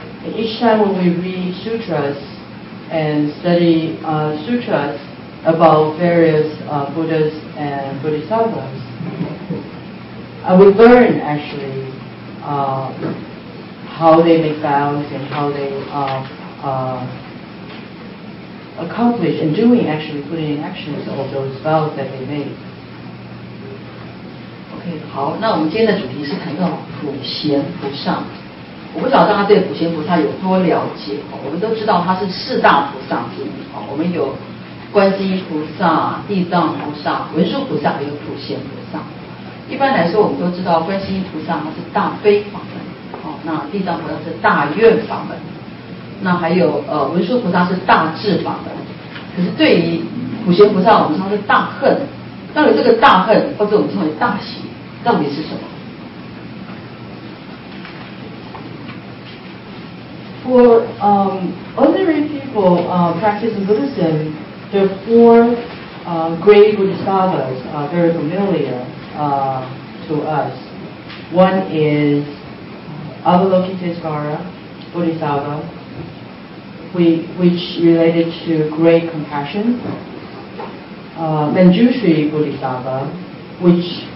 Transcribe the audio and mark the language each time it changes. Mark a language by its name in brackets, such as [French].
[English] Each time when we read sutras and study sutras about various Buddhas and Bodhisattvas, I will learn actually how they make vows and how they accomplish and doing actually putting in action all those vows that they made. [Chinese] Okay, 好，那我们今天的主题是谈到普贤菩萨。我不知道大家对普贤菩萨有多了解，我们都知道他是四大菩萨之一，我们有观世音菩萨、地藏菩萨、文殊菩萨，还有普贤菩萨。一般来说我们都知道观世音菩萨他是大悲法门，那地藏菩萨是大愿法门，那还有文殊菩萨是大智法门。可是对于普贤菩萨我们称是大恨，到底这个大恨或者我们称为大喜到底是什么？ [English] For ordinary people practicing Buddhism, the four great Bodhisattvas are very familiar to us. One is Avalokiteshvara Bodhisattva, which related to great compassion. Manjushri Bodhisattva, which